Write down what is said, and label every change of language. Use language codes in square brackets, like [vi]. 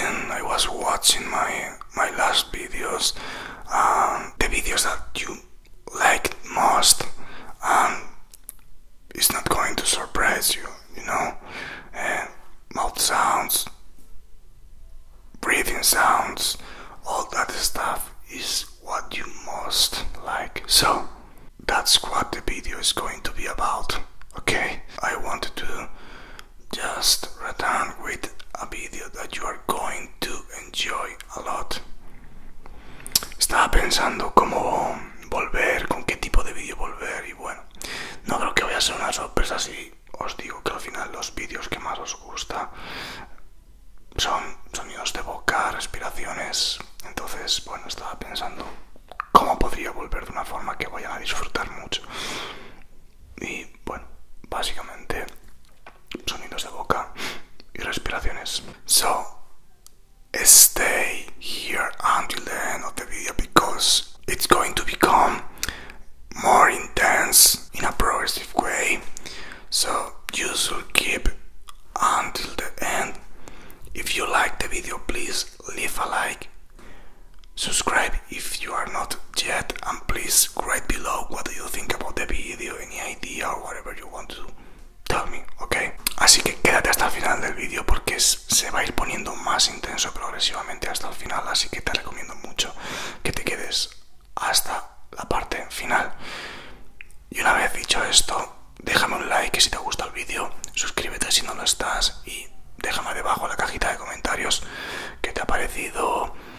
[en] I was watching my last videos, the videos that you liked most, and it's not going to surprise you, you know, mouth sounds, breathing sounds, all that stuff is what you most like. So that's what the video is going to be about, okay? I wanted to just return with a video that you are going to enjoy a lot. [es] Estaba pensando cómo volver, con qué tipo de vídeo volver, y bueno, no creo que vaya a ser una sorpresa si os digo que al final los vídeos que más os gusta son sonidos de boca, respiraciones. Entonces, bueno, estaba pensando cómo podría volver de una forma que vayan a disfrutar mucho. Y bueno, básicamente sonidos de boca y respiraciones. [en] So, stay here until the end of the video because it's going to become more intense in a progressive way. So, you should keep until the end. If you like the video, please leave a like. Subscribe if you are not yet, and please write below what do you think about the video, any idea or whatever you want to tell me, okay? [es] Así que quédate hasta el final del video porque se va a ir poniendo más intenso progresivamente hasta el final, así que te recomiendo mucho que te quedes hasta la parte final. Y una vez dicho esto, déjame un like si te gusta el video, suscríbete si no lo estás y déjame debajo en la cajita de comentarios qué te ha parecido.